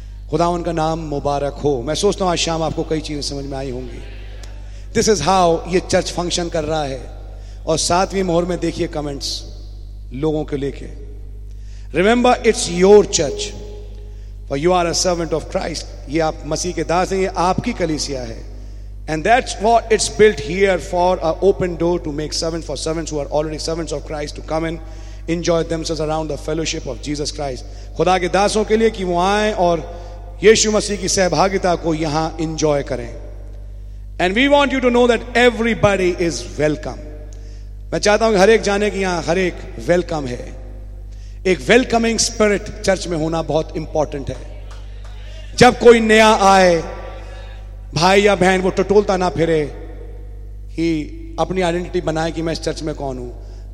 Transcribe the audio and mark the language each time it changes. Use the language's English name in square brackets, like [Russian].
[Hindi] खुदावन का नाम मुबारक हो। मैं सोचता हूं आज शाम आपको कई चीजें समझ में आई होंगी। [English] this is how ये church function [Hindi] कर रहा है। और सातवीं मोहर में देखिए [English] comments [Hindi] लोगों के लेके, [English] Remember it's your church for you are a servant of Christ. [Hindi] ये आप मसीह के दास हैं, ये आपकी कलीसिया है। [English] And that's what it's built here for, an open door to make servants, for servants who are already servants of Christ to come and enjoy themselves around the fellowship of Jesus Christ. [Hindi] खुदा के दासों के लिए कि वो आए और यीशु मसीह की सहभागिता को यहां enjoy करें। [English] And we want you to know that everybody is welcome. [Hindi] मैं चाहता हूं कि हर एक जाने कि यहां हर एक welcome है। एक welcoming spirit चर्च में होना बहुत important है। जब कोई नया आए भाई या बहन वो टटोलता ना फिरे, ही अपनी आइडेंटिटी बनाए कि मैं इस चर्च में कौन हूं।